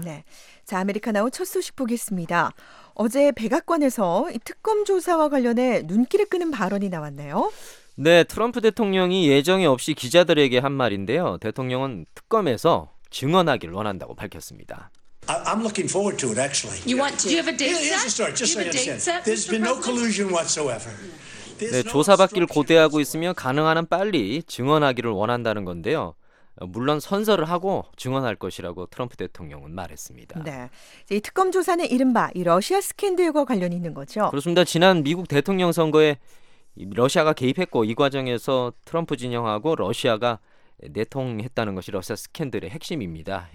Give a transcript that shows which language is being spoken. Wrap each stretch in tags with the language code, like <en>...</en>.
<ko>네, 자, 아메리카나우 첫 소식 보겠습니다. 어제 백악관에서 이 특검 조사와 관련해 눈길을 끄는 발언이 나왔네요. 네, 트럼프 대통령이 예정에 없이 기자들에게 한 말인데요. 대통령은 특검에서 증언하기를 원한다고 밝혔습니다.</ko> <en>I'm looking forward to it, actually. You want to? Do you have a date set? Here's the story, just so you understand. There's been no collusion whatsoever.</en> <ko>네, 조사받기를 고대하고 있으며 가능한 한 빨리 증언하기를 원한다는 건데요. 물론 선서를 하고 증언할 것이라고 트럼프 대통령은 말했습니다. 네, 이 특검 조사는 이른바 이 러시아 스캔들과 관련이 있는 거죠. 그렇습니다. 지난 미국 대통령 선거에 러시아가 개입했고 이 과정에서 트럼프 진영하고 러시아가 내통했다는 것이 러시아 스캔들의 핵심입니다.</ko>